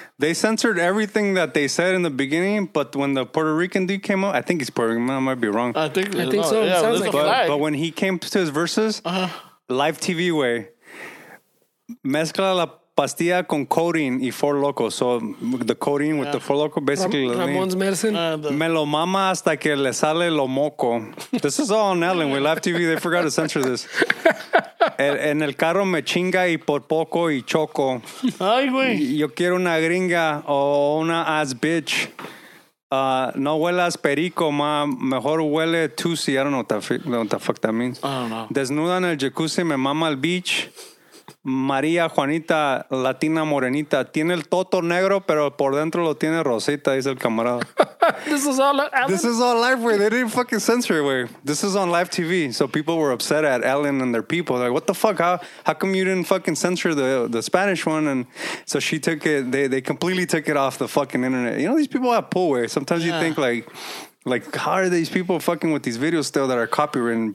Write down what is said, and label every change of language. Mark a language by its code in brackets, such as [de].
[en] They censored everything that they said in the beginning, but when the Puerto Rican dude came out, I think he's Puerto Rican, I might be wrong. I think so. Yeah, but when he came to his verses, live TV way, [es] mezcla la pastilla con codeine y Four Loco. [en] So the codeine with the Four Loco, basically. Ramon's medicine. [es] Me lo mama hasta que le sale lo moco. [en] This is all on Ellen. We live TV. They forgot to censor this. [es] En el carro me chinga y por poco y choco. Ay, güey. Yo quiero una gringa o una ass bitch. No huelas perico, ma. Mejor huele tusi. [en] I don't know what the fuck that means. I don't know. [es] Desnuda en el jacuzzi, me mama el bitch. María Juanita, latina morenita. Tiene el toto negro, pero por dentro lo tiene rosita, dice el camarada. [en] This is all live, güey. They didn't fucking censor it, güey. This is on live TV. So people were upset at Ellen and their people. Like, what the fuck? How come you didn't fucking censor the Spanish one? And so she took it. They completely took it off the fucking internet. You know, these people have pull, güey. Sometimes you think, like, how are these people fucking with these videos still that are copywritten?